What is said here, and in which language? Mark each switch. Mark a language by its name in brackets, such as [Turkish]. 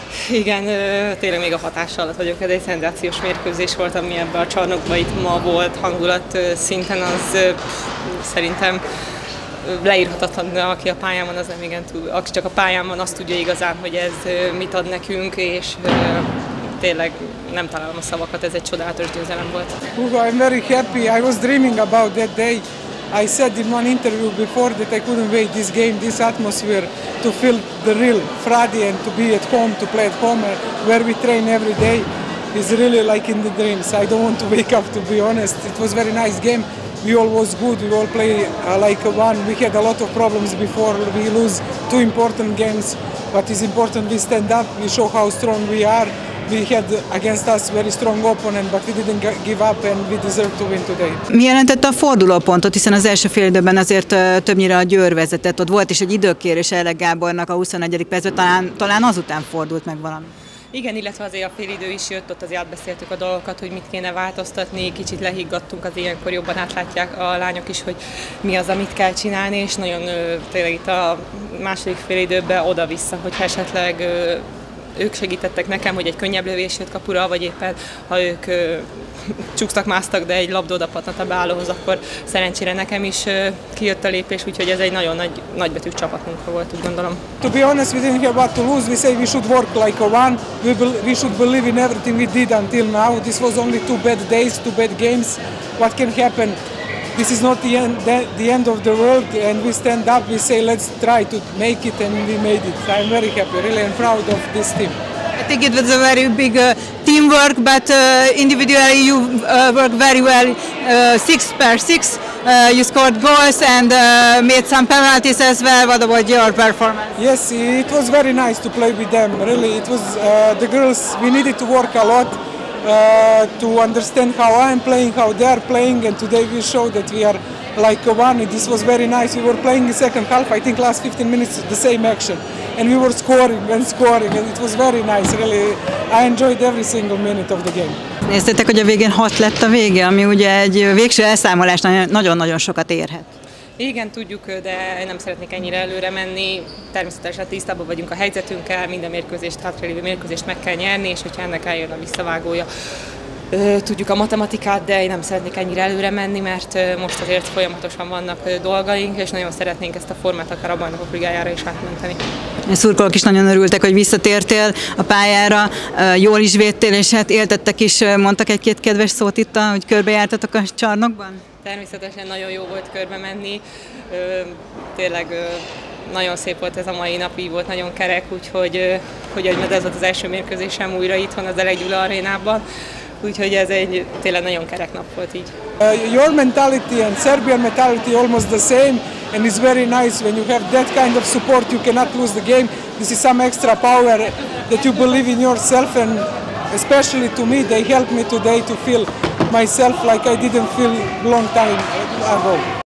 [Hungarian] Igen, tényleg még a hatás alatt vagyok, ez egy szenzációs mérkőzés volt, ami ebben a csarnokban itt ma volt, hangulat szinten az szerintem leírhatatlan, aki a pályán van, az nem igen túl, aki csak a pályán van, azt tudja igazán, hogy ez mit ad nekünk, és tényleg nem találom a szavakat, ez egy csodálatos győzelem volt. [English] Hugo, I'm very happy, I was dreaming about that day. I said in one interview before that I couldn't wait this game, this atmosphere to feel the real Friday and to be at home, to play at home where we train every day is really like in the dreams. I don't want to wake up, to be honest. It was a very nice game. We all was good. We all play like one. We had a lot of problems before. We lose two important games, but it's important we stand up. We show how strong we are. We had against us very strong opponent, but we didn't give up and we deserve to win today. [Hungarian] Mi jelentette a fordulópontot, hiszen az első fél időben azért többnyire a Győr vezetett. Ott volt is egy időkérés Elek Gábornak a 21. percben, talán azután fordult meg valami. Igen, illetve azért a fél idő is jött, ott azért átbeszéltük a dolgokat, hogy mit kéne változtatni, kicsit lehiggadtunk, az ilyenkor jobban átlátják a lányok is, hogy mi az, amit kell csinálni, és nagyon tényleg itt a második fél időben oda-vissza, hogyha esetleg ők segítettek nekem, hogy egy könnyebb lövés jött kapura, vagy éppen ha ők csúsztak-másztak, de egy labda odapattant a beállóhoz, akkor szerencsére nekem is kijött a lépés, úgyhogy ez egy nagyon nagy nagybetű csapatmunka volt, úgy gondolom. [English] To be honest, we didn't have what to lose. We say we should work like a one. We should believe in everything we did until now. This was only two bad days, two bad games. What can happen? This is not the end of the world, and we stand up, we say let's try to make it, and we made it. I'm very happy, really, and proud of this team. I think it was a very big teamwork, but individually you work very well. 6-6, you scored goals and made some penalties as well. What about your performance? Yes, it was very nice to play with them, really. It was the girls, we needed to work a lot. To understand how I'm playing, how they are playing, and today we show that we are like one. This was very nice. We were playing the second half, I think last 15 minutes, the same action. And we were scoring, and it was very nice, really. I enjoyed every single minute of the game. [Hungarian] Néztétek, hogy a végén 6 lett a vége, ami ugye egy végső elszámolás nagyon-nagyon sokat érhet. Igen, tudjuk, de nem szeretnék ennyire előre menni. Természetesen tisztában vagyunk a helyzetünkkel, minden mérkőzést, hátra lévő mérkőzést meg kell nyerni, és hogyha ennek eljön a visszavágója, tudjuk a matematikát, de én nem szeretnék ennyire előre menni, mert most azért folyamatosan vannak dolgaink, és nagyon szeretnénk ezt a formát akár a Bajnokok Ligájára is átmenteni. Szurkolók is nagyon örültek, hogy visszatértél a pályára, jól is védtél, és hát éltettek is, mondtak egy-két kedves szót itt, hogy körbejártatok a csarnokban? Természetesen nagyon jó volt körbe menni, tényleg nagyon szép volt ez a mai nap, így volt nagyon kerek, úgyhogy hogy ez volt az első mérkőzésem újra itthon az Elek Gyula arénában, úgyhogy ez egy tényleg nagyon kerek nap volt így. [English] Your mentality and Serbian mentality almost the same, and it's very nice when you have that kind of support, you cannot lose the game, this is some extra power that you believe in yourself, and especially to me, they helped me today to feel myself like I didn't feel long time ago.